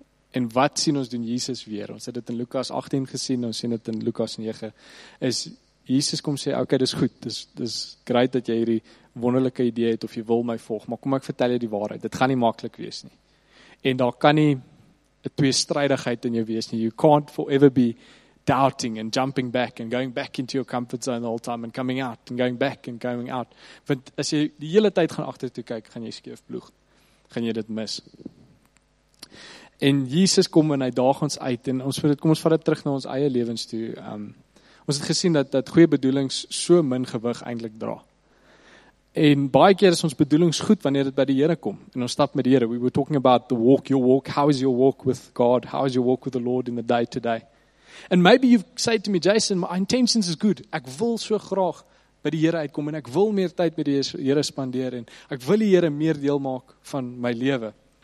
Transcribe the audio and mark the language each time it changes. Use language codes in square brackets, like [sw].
[af] En wat sien ons doen Jesus weer? Ons het dit in Lukas 18 gesien, ons sien dit in Lukas 9, is Jesus kom sê, okay, dis goed, dis great dat jy hierdie wonderlike idee het of jy wil my volg, maar kom ek vertel jy die waarheid, dit gaan nie maklik wees nie. En daar kan nie 'n tweestrydigheid in jou wees nie. [en] You can't forever be doubting and jumping back and going back into your comfort zone the whole time and coming out and going back and going out. [af] Want as jy die hele tyd gaan agter toe kyk, gaan jy skeef ploeg, gaan jy dit mis. En Jesus kom en hy daag ons uit en kom ons vat dit terug na ons eie lewens toe. Ons het gesien dat goeie bedoelings so min gewig eintlik dra. En baie keer is ons bedoelings goed wanneer dit by die Here kom. En ons stap met die Here. [en] We were talking about the walk, your walk. How is your walk with God? How is your walk with the Lord in the day to day? And maybe you've said to me, Jason, my intentions is good. [af] Ek wil so graag by die Here uitkom en ek wil meer tyd met die Here spandeer en ek wil die Here meer deel maak van my lewe.